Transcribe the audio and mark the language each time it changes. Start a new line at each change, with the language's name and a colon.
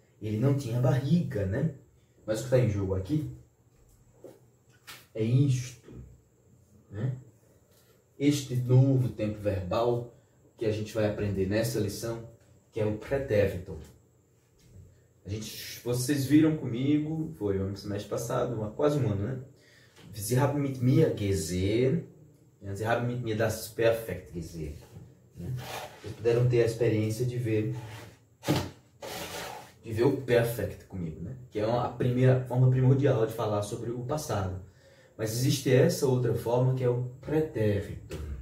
Portuguese: Ele não tinha barriga, né? Mas o que está em jogo aqui é isto, né? Este novo tempo verbal. que a gente vai aprender nessa lição, que é o pretérito. Vocês viram comigo, foi o semestre passado, quase um ano, né?
German: Sie haben mit mir gesehen, Sie haben mit mir das Perfekt gesehen.
Portuguese: Vocês puderam ter a experiência de ver o perfect comigo, né? Que é a primeira forma primordial de falar sobre o passado. Mas existe essa outra forma que é o pretérito.